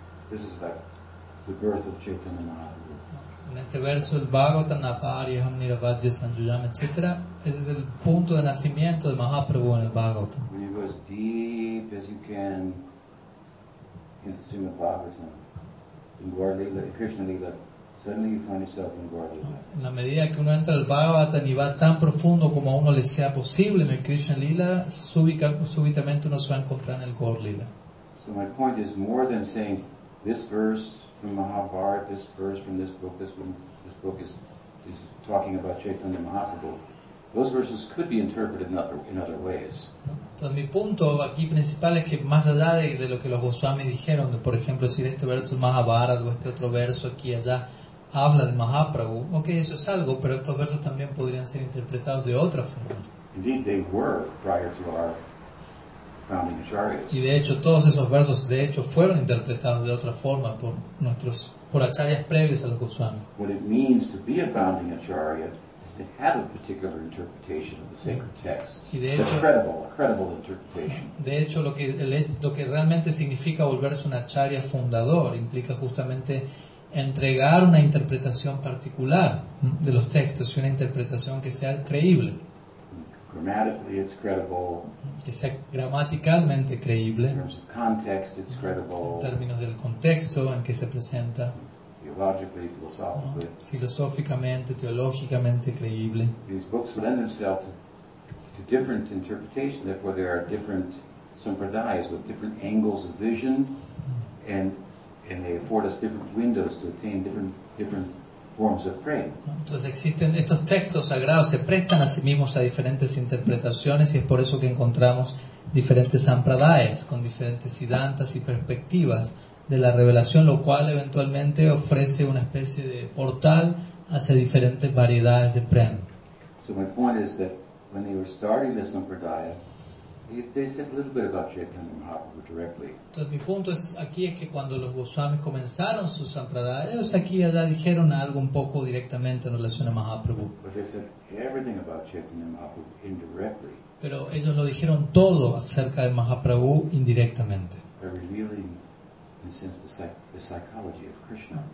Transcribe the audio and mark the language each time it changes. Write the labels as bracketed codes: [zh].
[en] This is like the birth of Chaitanya Mahaprabhu. [es] En este verso, el Bhagavatam Apariham Niravadya Sanjuyam, etc., ese es el punto de nacimiento de Mahaprabhu en el Bhagavatam. [en] When you go as deep as you can into Srimad Bhagavatam, in Gaura Lila, in Krishna Lila, suddenly you find yourself in Gaura Lila. [es] En la medida que uno entra al Bhagavatam y va tan profundo como a uno le sea posible en el Krishna Lila, súbitamente uno se va a encontrar en el Gaura Lila. [en] So my point is more than saying this verse from Mahabharata, this verse from this book, this book is talking about Chaitanya Mahaprabhu. Those verses could be interpreted in other ways. [es] Entonces, mi punto aquí principal es que más allá de lo que los Goswami dijeron, de, por ejemplo, decir este verso Mahabharata o este otro verso aquí allá habla de Mahaprabhu, okay, eso es algo, pero estos versos también podrían ser interpretados de otra forma. [en] Indeed, they were prior to our founding acharyas. [es] Y de hecho todos esos versos de hecho fueron interpretados de otra forma por acharyas previos a los Goswami. [en] What it means to be a founding acharya is to have a particular interpretation of the sacred text. [es] Y de hecho, [en] a credible interpretation. [es] De hecho lo que realmente significa volverse un acharya fundador implica justamente entregar una interpretación particular de los textos y una interpretación que sea creíble. [en] Grammatically, it's credible. [es] Que sea gramaticalmente creíble. [en] In terms of context, it's credible. [es] En términos del contexto en que se presenta. [en] Theologically, philosophically. [es] Filosóficamente, teológicamente creíble. [en] These books lend themselves to different interpretation. Therefore, there are different sampradayas with different angles of vision, and they afford us different windows to attain different forms of praying. [es] Entonces existen estos textos sagrados, se prestan a sí mismos a diferentes interpretaciones y es por eso que encontramos diferentes sampradayas con diferentes siddhantas y perspectivas de la revelación, lo cual eventualmente ofrece una especie de portal hacia diferentes variedades de prem. [en] So my point is that when they were starting the sampradaya, they said a little bit about Chaitanya Mahaprabhu directly. [es] Entonces mi punto es aquí es que cuando los Goswamis comenzaron sus sampradayas, aquí ya dijeron algo un poco directamente en relación a Mahaprabhu. [en] But they said everything about Chaitanya Mahaprabhu indirectly. [es] Pero ellos lo dijeron todo acerca de Mahaprabhu indirectamente. [en] By revealing, in a sense, the psychology of Krishna.